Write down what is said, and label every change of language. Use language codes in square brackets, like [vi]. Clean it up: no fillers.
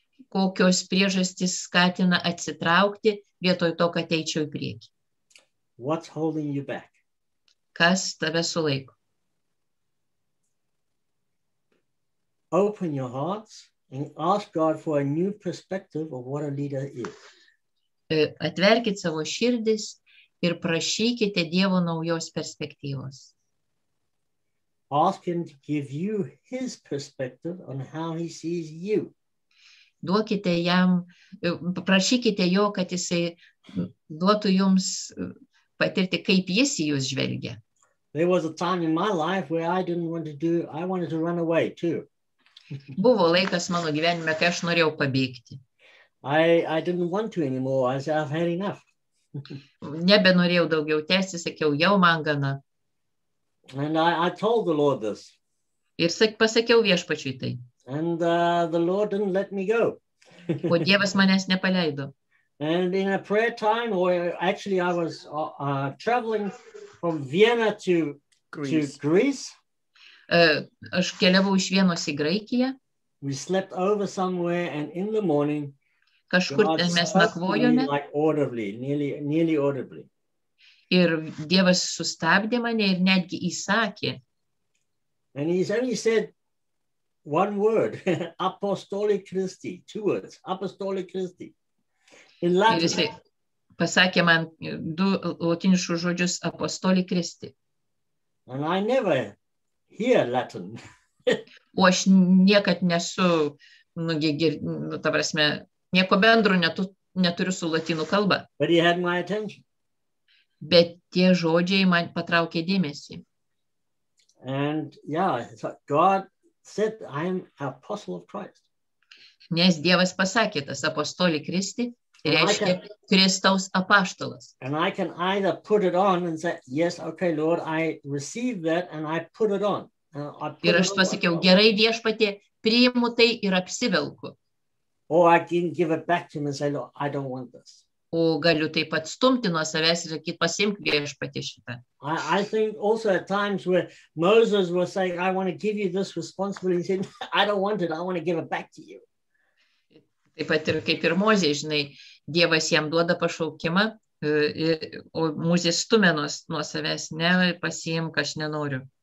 [lt] Kokios priežastys skatina atsitraukti vietoj to, kad eičiau į priekį? [en] What's holding you back? [lt] Kas tave sulaiko? [en] Open your hearts and ask God for a new perspective of what a leader is. [lt] Atverkit savo širdis ir prašykite Dievo naujos perspektyvos. [en] Ask him to give you his perspective on how he sees you. [lt] Duokite jam, prašykite jo, kad jisai duotų jums patirti, kaip jis į jūs žvelgia. [en] There was a time in my life where I didn't want to do, I wanted to run away too. [lt] Buvo laikas mano gyvenime, kai aš norėjau pabėgti. [en] I didn't want to anymore. I said, I've had enough. [lt] Nebenorėjau daugiau tęsti, sakiau, jau man gana. [en] And I told the Lord this. [lt] Ir pasakiau viešpačiui tai. [en] And the Lord didn't let me go. [lt] O Dievas manęs nepaleido. [en] And in a prayer time, or actually I was traveling from Vienna to Greece. [lt] Aš keliavau iš Vienos į Graikiją. [en] We slept over somewhere and in the morning [lt] kažkur ten mes nakvojome. [en] Like audibly, nearly audibly. [lt] Ir Dievas sustabdė mane ir netgi įsakė. [en] And he only said one word, apostolic Christi, two words, apostolic Christi. In Latin. [lt] Ir jis pasakė man du lotiniškus žodžius, apostolic Christi. [en] And I never hear Latin. [lt] O aš niekad nesu, ta prasme, nieko bendro neturiu su latinų kalba. [en] But he had my attention. [lt] Bet tie žodžiai man patraukė dėmesį. [en] And yeah, God said, I am apostle of Christ. [lt] Nes Dievas pasakė, tas apostolį Kristi, reiškia Kristaus apaštalas. [en] And I can either put it on and say, yes, okay, Lord, I receive that and I put it on. [lt] Ir aš pasakiau, gerai viešpatė, priimu tai ir apsivelku. [en] Or I can give it back to him and say, Lord, I don't want this. [lt] O galiu taip pat stumti nuo savęs ir sakyti, pasimk viešpatį šitą. [en] I think also at times where Moses was saying, I want to give you this responsibility, he said, I don't want it, I want to give it back to you. [lt] Taip pat ir kaip ir Mozė, žinai, Dievas jam duoda pašaukimą, o Mozė stumia nuo savęs, ne, pasimk, aš nenoriu.